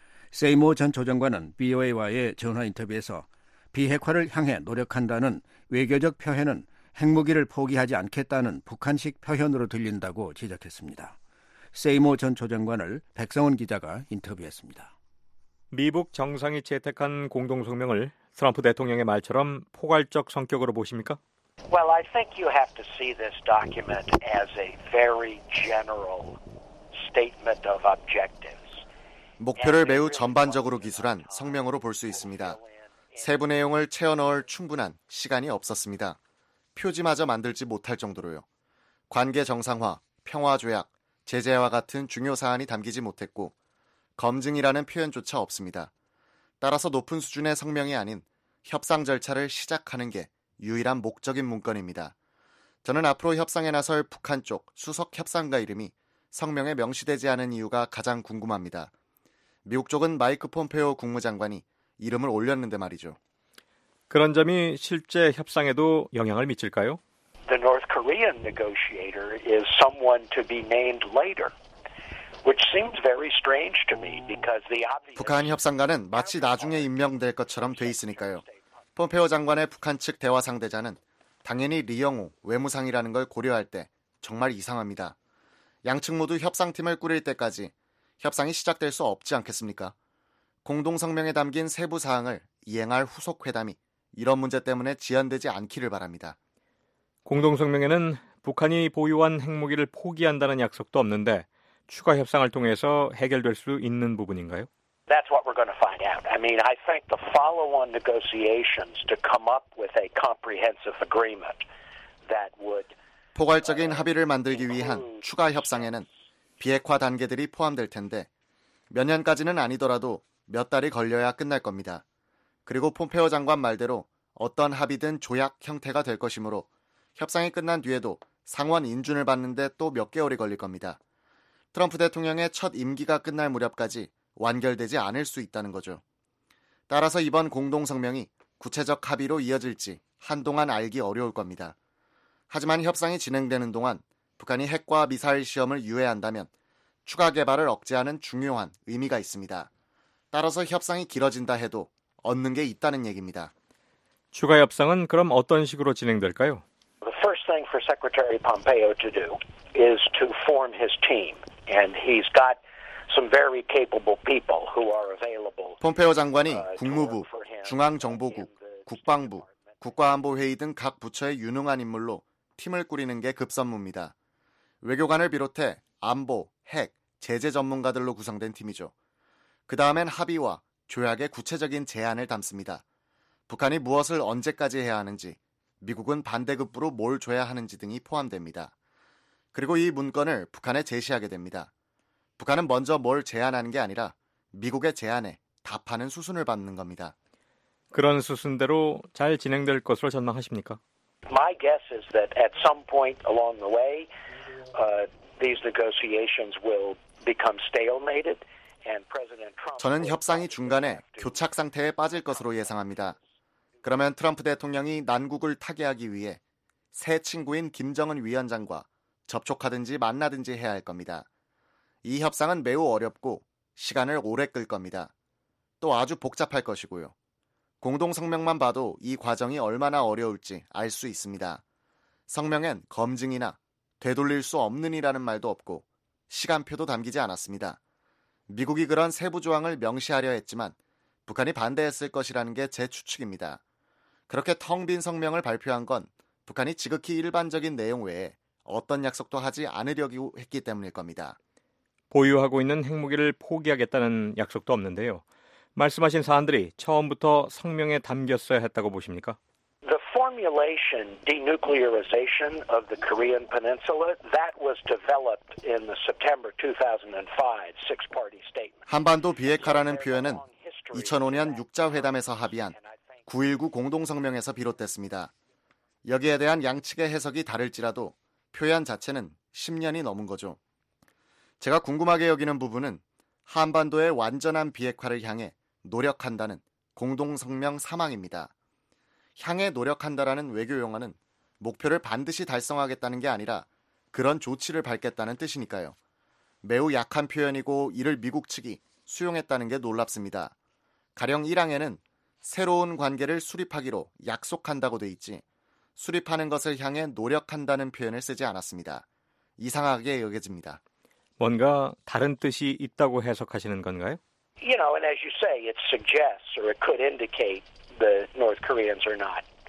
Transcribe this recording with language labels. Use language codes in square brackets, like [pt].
[ko] 세이모어 전 조정관은 BOA와의 전화 인터뷰에서 비핵화를 향해 노력한다는 외교적 표현은 핵무기를 포기하지 않겠다는 북한식 표현으로 들린다고 지적했습니다. 세이모 전 조정관을 백성원 기자가 인터뷰했습니다. 미북 정상이 채택한 공동성명을 트럼프 대통령의 말처럼 포괄적 성격으로 보십니까? [en] Well, I think you have to see this document as a very general statement of objectives. [ko] 목표를 매우 전반적으로 기술한 성명으로 볼 수 있습니다. 세부 내용을 채워넣을 충분한 시간이 없었습니다. 표지마저 만들지 못할 정도로요. 관계 정상화, 평화 조약, 제재와 같은 중요 사안이 담기지 못했고 검증이라는 표현조차 없습니다. 따라서 높은 수준의 성명이 아닌 협상 절차를 시작하는 게 유일한 목적인 문건입니다. 저는 앞으로 협상에 나설 북한 쪽 수석 협상가 이름이 성명에 명시되지 않은 이유가 가장 궁금합니다. 미국 쪽은 마이크 폼페오 국무장관이 이름을 올렸는데 말이죠. 그런 점이 실제 협상에도 영향을 미칠까요? [en] The North Korean negotiator is someone to be named later, which seems very strange to me because the obvious [ko] 북한 협상가는 마치 나중에 임명될 것처럼 돼 있으니까요. 폼페오 장관의 북한 측 대화 상대자는 당연히 리영우 외무상이라는 걸 고려할 때 정말 이상합니다. 양측 모두 협상팀을 꾸릴 때까지 협상이 시작될 수 없지 않겠습니까? 공동성명에 담긴 세부 사항을 이행할 후속 회담이 이런 문제 때문에 지연되지 않기를 바랍니다. 공동성명에는 북한이 보유한 핵무기를 포기한다는 약속도 없는데 추가 협상을 통해서 해결될 수 있는 부분인가요? [en] That's what we're going to find out. I mean, I think the follow-on negotiations to come up with a comprehensive agreement that would [ko] 포괄적인 합의를 만들기 위한 추가 협상에는 비핵화 단계들이 포함될 텐데 몇 년까지는 아니더라도 몇 달이 걸려야 끝날 겁니다. 그리고 폼페오 장관 말대로 어떤 합의든 조약 형태가 될 것이므로 협상이 끝난 뒤에도 상원 인준을 받는데 또 몇 개월이 걸릴 겁니다. 트럼프 대통령의 첫 임기가 끝날 무렵까지 완결되지 않을 수 있다는 거죠. 따라서 이번 공동성명이 구체적 합의로 이어질지 한동안 알기 어려울 겁니다. 하지만 협상이 진행되는 동안 북한이 핵과 미사일 시험을 유예한다면 추가 개발을 억제하는 중요한 의미가 있습니다. 따라서 협상이 길어진다 해도 얻는 게 있다는 얘기입니다. 추가 협상은 그럼 어떤 식으로 진행될까요? [en] The first thing for Secretary Pompeo to do is to form his team and he's got some very capable people who are available. [ko] 폼페오 장관이 국무부, 중앙정보국, 국방부, 국가안보회의 등 각 부처의 유능한 인물로 팀을 꾸리는 게 급선무입니다. 외교관을 비롯해 안보, 핵, 제재 전문가들로 구성된 팀이죠. 그다음엔 합의와 조약의 구체적인 제안을 담습니다. 북한이 무엇을 언제까지 해야 하는지, 미국은 반대급부로 뭘 줘야 하는지 등이 포함됩니다. 그리고 이 문건을 북한에 제시하게 됩니다. 북한은 먼저 뭘 제안하는 게 아니라 미국의 제안에 답하는 수순을 밟는 겁니다. 그런 수순대로 잘 진행될 것으로 전망하십니까? [en] My guess is that at some point along the way, these negotiations will become stalemated. [ko] 저는 협상이 중간에 교착 상태에 빠질 것으로 예상합니다. 그러면 트럼프 대통령이 난국을 타개하기 위해 새 친구인 김정은 위원장과 접촉하든지 만나든지 해야 할 겁니다. 이 협상은 매우 어렵고 시간을 오래 끌 겁니다. 또 아주 복잡할 것이고요. 공동성명만 봐도 이 과정이 얼마나 어려울지 알 수 있습니다. 성명엔 검증이나 되돌릴 수 없는이라는 말도 없고 시간표도 담기지 않았습니다. 미국이 그런 세부 조항을 명시하려 했지만 북한이 반대했을 것이라는 게 제 추측입니다. 그렇게 텅 빈 성명을 발표한 건 북한이 지극히 일반적인 내용 외에 어떤 약속도 하지 않으려고 했기 때문일 겁니다. 보유하고 있는 핵무기를 포기하겠다는 약속도 없는데요. 말씀하신 사안들이 처음부터 성명에 담겼어야 했다고 보십니까? [en] The formulation denuclearization of the Korean Peninsula that was developed in the September 2005 six-party statement. [ko] 한반도 비핵화라는 표현은 2005년 6자 회담에서 합의한 9.19 공동성명에서 비롯됐습니다. 여기에 대한 양측의 해석이 다를지라도 표현 자체는 10년이 넘은 거죠. 제가 궁금하게 여기는 부분은 한반도의 완전한 비핵화를 향해 노력한다는 공동성명 3항입니다. 향해 노력한다라는 외교 용어는 목표를 반드시 달성하겠다는 게 아니라 그런 조치를 밟겠다는 뜻이니까요. 매우 약한 표현이고 이를 미국 측이 수용했다는 게 놀랍습니다. 가령 1항에는 새로운 관계를 수립하기로 약속한다고 돼 있지 수립하는 것을 향해 노력한다는 표현을 쓰지 않았습니다. 이상하게 여겨집니다. 뭔가 다른 뜻이 있다고 해석하시는 건가요? [en] You know, and as you say, it suggests or it could indicate the North Koreans are not.